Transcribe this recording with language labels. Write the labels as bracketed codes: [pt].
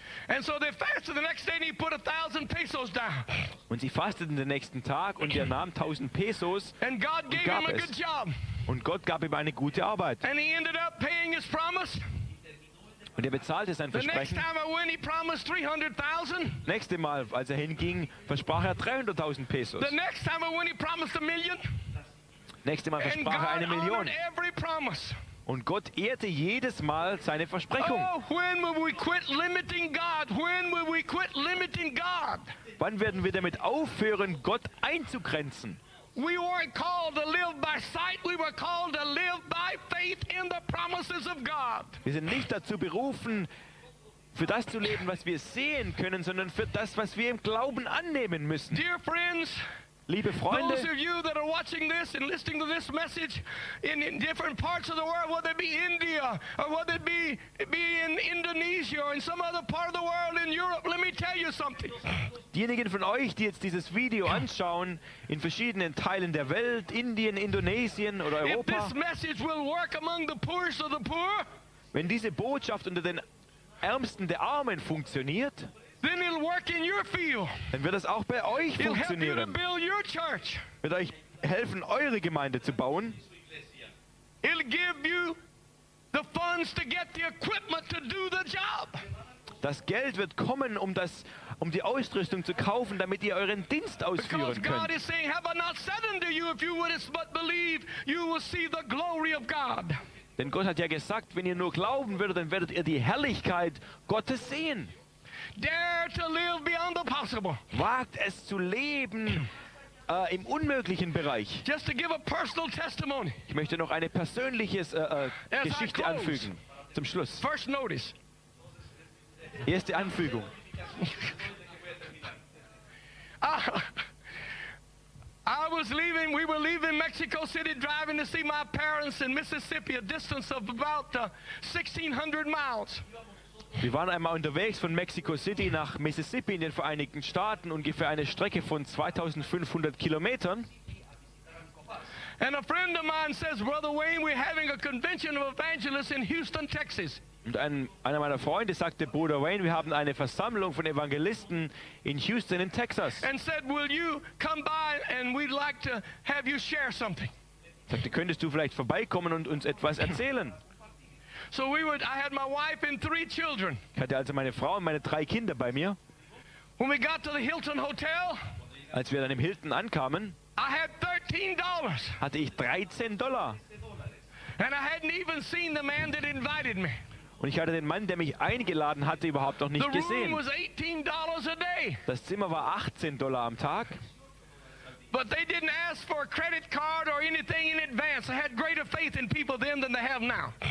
[en] And so they fasted the next day and he put 1,000 pesos down. [de] Und sie fasteten den nächsten Tag und er nahm 1,000 Pesos [en] and God [de] und gab [en] gave him [de] es. [en] A good job. [de] Und Gott gab ihm eine gute Arbeit. [en] And he ended up paying his promise. [de] Und er bezahlte sein Versprechen. [en] The next time I went, he promised 300,000. [de] Nächste Mal, als er hinging, versprach er 300,000 Pesos. [en] The next time I went, he promised a million. [de] Nächste Mal versprach [en] and [de] er eine Million. [en] God honored every promise. [de] Und Gott ehrte jedes Mal seine Versprechung. [en] Oh, when will we quit limiting God? When will we quit limiting God? [de] Wann werden wir damit aufhören, Gott einzugrenzen? [en] We weren't called to live by sight. We were called to live by faith in the promises of God. [de] Wir sind nicht dazu berufen, für das zu leben, was wir sehen können, sondern für das, was wir im Glauben annehmen müssen. [en] Dear friends, [de] liebe Freunde, [en] those of you that are watching this and listening to this message in different parts of the world, whether it be India or whether it be in Indonesia or in some other part of the world in Europe, let me tell you something. [de] Diejenigen von euch, die jetzt dieses Video anschauen, in verschiedenen Teilen der Welt, Indien, Indonesien oder Europa, [en] if this message will work among the poorest of the poor, [de] wenn diese Botschaft unter den Ärmsten der Armen funktioniert, [en] then it'll work in your field. [de] Dann wird es auch bei euch [en] it'll [de] funktionieren. [en] Help you to build your church. [de] Wird euch helfen, eure Gemeinde zu bauen. [en] It'll give you the funds to get the equipment to do the job. [de] Das Geld wird kommen, um die Ausrüstung zu kaufen, damit ihr euren Dienst ausführen [en] because [de] könnt. [en] God is saying, have I not said unto you, if you would but believe, you will see the glory of God. [de] Denn Gott hat ja gesagt, wenn ihr nur glauben würdet, dann werdet ihr die Herrlichkeit Gottes sehen. [en] Dare to live beyond the possible. [de] Wagt es zu leben im unmöglichen Bereich. [en] Just to give a personal testimony. [de] Ich möchte noch eine persönliche Geschichte anfügen zum Schluss. [en] First notice. [de] Erste Anfügung. [en] I was leaving. We were leaving Mexico City, driving to see my parents in Mississippi, a distance of about 1,600 miles. [de] Wir waren einmal unterwegs von Mexico City nach Mississippi in den Vereinigten Staaten, ungefähr eine Strecke von 2500 Kilometern. [en] And a friend of mine says, Brother Wayne, we're having a convention of evangelists in Houston, Texas. [de] Und einer meiner Freunde sagte, Bruder Wayne, wir haben eine Versammlung von Evangelisten in Houston, in Texas. [en] And said, will you come by and we'd like to have you share something. [de] Sagte, könntest du vielleicht vorbeikommen und uns etwas erzählen? [en] So I had my wife and three children. [de] Ich hatte also meine Frau und meine drei Kinder bei mir. [en] When we got to the Hilton Hotel, [de] als wir dann im Hilton ankamen, [en] I had $13. [de] Hatte ich 13 Dollar. [en] And I hadn't even seen the man that invited me. [de] Und ich hatte den Mann, der mich eingeladen hatte, überhaupt noch nicht [en] the [de] gesehen. [en] Room was $18 a day. [de] Das Zimmer war 18 Dollar am Tag. [en] But they didn't ask for a credit card or anything in advance. They had greater faith in people then than they have now.